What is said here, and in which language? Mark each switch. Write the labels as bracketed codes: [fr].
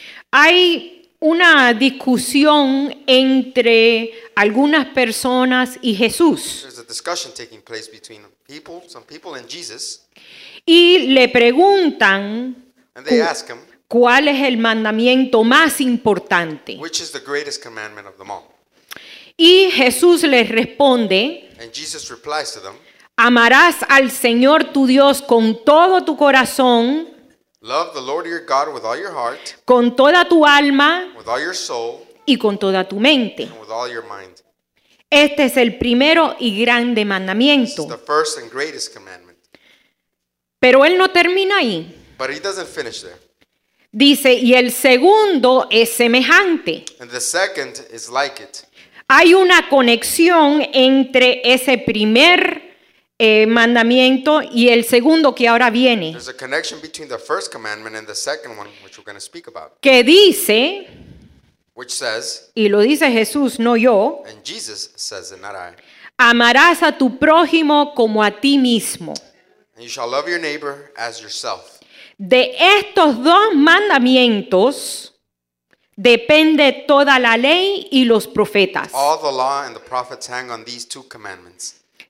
[es] hay una discusión entre algunas personas y Jesús. [en] There's a discussion taking place between people, some people and Jesus. [es] Y le preguntan, [en] and they ask him, [es] ¿cuál es el mandamiento más importante? [en] Which is the greatest commandment of them all? [es] Y Jesús les responde, [en] and Jesus replies to them, [es] amarás al Señor tu Dios con todo tu corazón, [en] love the Lord your God with all your heart, [es] con toda tu alma, [en] with all your soul, [es] y con toda tu mente, [en] and with all your mind. [es] Este es el primero y grande mandamiento. [en] This is the first and greatest commandment. [es] Pero él no termina ahí. [en] But he doesn't finish there. [es] Dice, y el segundo es semejante. [en] And the second is like it. [es] Hay una conexión entre ese primer mandamiento y el segundo que ahora viene. [en] There's a connection between the first commandment and the second one, which we're going to speak about. [es] Que dice, [en] which says, [es] y lo dice Jesús, no yo, [en] and Jesus says it, not I. [es] Amarás a tu prójimo como a ti mismo. [en] And you shall love your neighbor as yourself. [es] De estos dos mandamientos depende toda la ley y los profetas. [en] All the law and the prophets hang on these two commandments.